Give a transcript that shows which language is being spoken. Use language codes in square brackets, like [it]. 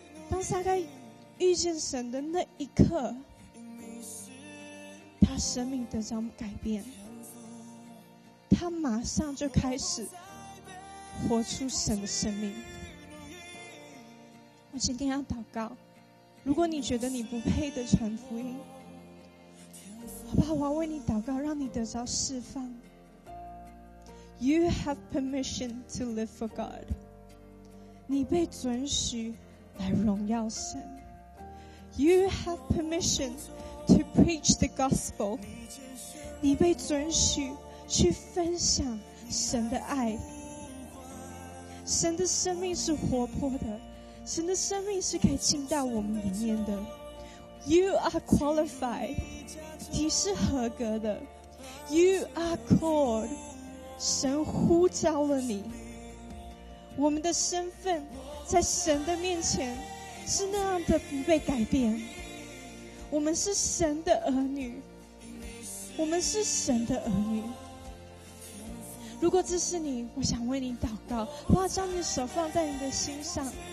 [zh] 当撒该遇见神的那一刻，他生命得着改变，他马上就开始活出神的生命。我今天要祷告，如果你觉得你不配的传福音，好不好？我要为你祷告，让你得着释放。 [en] You have permission to live for God. [zh] 你被准许来荣耀神。 [en] You have permission to preach the gospel. [zh] 你被准许去分享神的爱。神的生命是活泼的。神的生命是可以进到我们里面的。 [en] You are qualified， [zh] 你是合格的。 [en] You are called， [zh] 神呼召了你。我们的身份在神的面前是那样的不被改变。我们是神的儿女，我们是神的儿女。如果这是你，我想为你祷告，我要将你手放在你的心上。